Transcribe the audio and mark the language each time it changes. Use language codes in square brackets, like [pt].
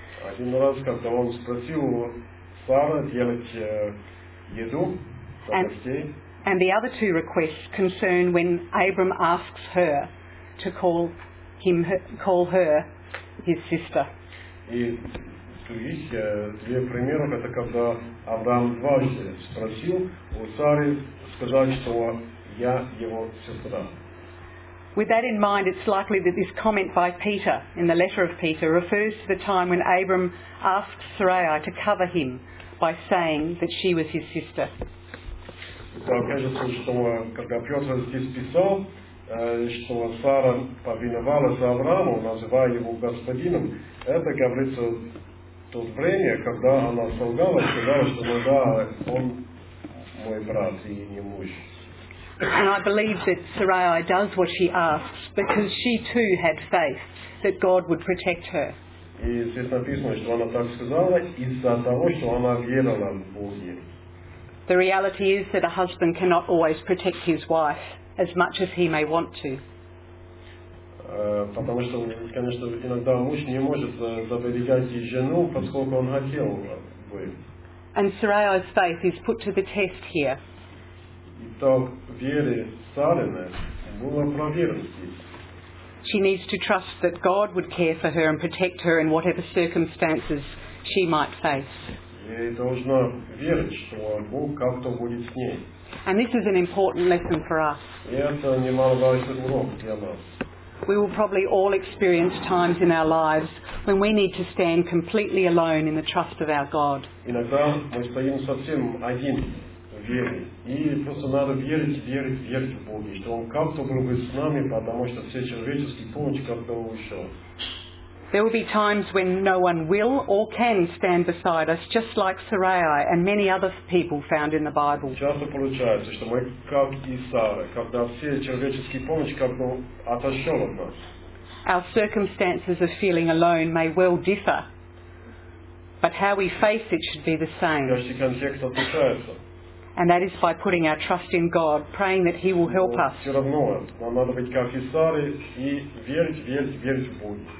[ru] Один раз, когда он спросил Сару делать еду, запасти. [en] And the other two requests concern when Abram asks her to call her his sister. [ru] И других две примеров это когда Авраам дважды спросил у Сары сказать, что я его сестра. [en] With that in mind, it's likely that this comment by Peter in the letter of Peter refers to the time when Abram asked Sarai to cover him by saying that she was his sister. [ru] Кажется, что когда Петр здесь писал, что Сара повиновалась Аврааму, называя его господином, это говорится то время, когда она солгала, сказала, что да, он мой брат и не муж. [en] And I believe that Sarai does what she asks because she too had faith that God would protect her. [ru] И здесь написано, что она так сказала из-за того, что она верила в Бога. [en] The reality is that a husband cannot always protect his wife as much as he may want to. [ru] Потому что, конечно, иногда муж не может заберегать жену, поскольку он хотел бы. [en] And Sarai's faith is put to the test here. [ru] Итак, вере Сарины было проверено здесь. [en] She needs to trust that God would care for her and protect her in whatever circumstances she might face. [ru] Ей должна верить, что Бог как-то будет с ней. [en] And this is an important lesson for us. [ru] И это немаловажный урок для нас. [en] We will probably all experience times in our lives when we need to stand completely alone in the trust of our God. [ru] Иногда мы стоим совсем один в вере, и просто надо верить, верить, верить в Бога, что Он как-то был бы с нами, потому что все человеческие помощи как-то ушел. [en] There will be times when no one will or can stand beside us, just like Sarai and many other people found in the Bible. [ru] Часто получается, что мы как и Сара, когда все человеческие помощи как-то отошел от нас. [en] Our circumstances of feeling alone may well differ, but how we face it should be the same. [ru] Каждый контекст отличается. [en] And that is by putting our trust in God, praying that He will help us. [ru] Все равно нам надо быть как и Сара и верить, верить, верить в Бога.